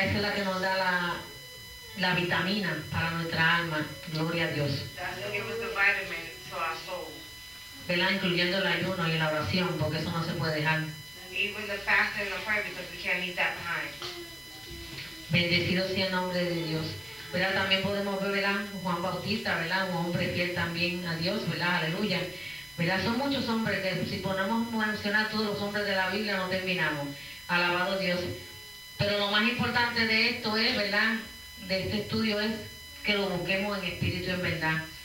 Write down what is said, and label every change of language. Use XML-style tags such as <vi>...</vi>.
<es>Esa es la que nos da la vitamina para nuestra alma. Gloria a Dios.</es> <en>That's the vitamin to our soul.</en> <es>¿Verdad? Incluyendo el ayuno y la oración, porque eso no se puede dejar.</es> <en>Even the fasting and the prayer, because we can't leave that behind.</en> <es>Bendecido sea el nombre de Dios. ¿Verdad? También podemos ver, ¿verdad?, Juan Bautista, ¿verdad?, un hombre fiel también a Dios, ¿verdad? Aleluya. ¿Verdad? Son muchos hombres que si ponemos a mencionar todos los hombres de la Biblia no terminamos. Alabado Dios. Pero lo más importante de esto es, ¿verdad?, de este estudio es que lo busquemos en espíritu en verdad.</es>